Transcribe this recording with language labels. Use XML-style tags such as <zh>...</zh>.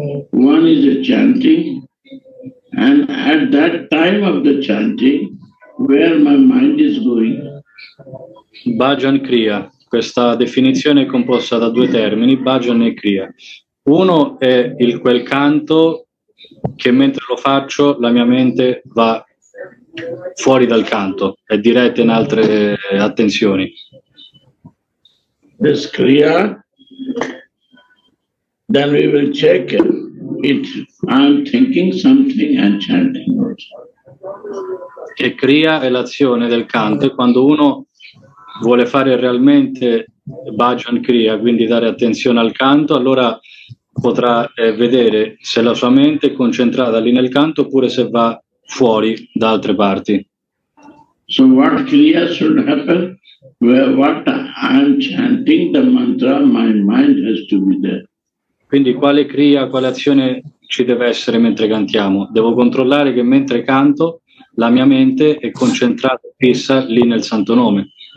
<en>One is the chanting, and at that time of the chanting, where my mind is going. Bhajan kriya.</en> <it>Questa definizione è composta da due termini, bhajan e kriya. Uno è il quel canto che mentre lo faccio la mia mente va fuori dal canto, è diretta in altre attenzioni.</it> <en>This kriya, then we will check it. I'm thinking something and chanting also.</en> <it>E kriya è l'azione del canto, quando uno vuole fare realmente bhajan kriya, quindi dare attenzione al canto, allora potrà vedere se la sua mente è concentrata lì nel canto oppure se va fuori da altre parti.</it> <en>So what kriya should happen? Where what I'm chanting the mantra, my mind has to be there.</en> <it>Quindi quale kriya, quale azione ci deve essere mentre cantiamo? Devo controllare che mentre canto la mia mente è concentrata e fissa lì nel santo nome.</it>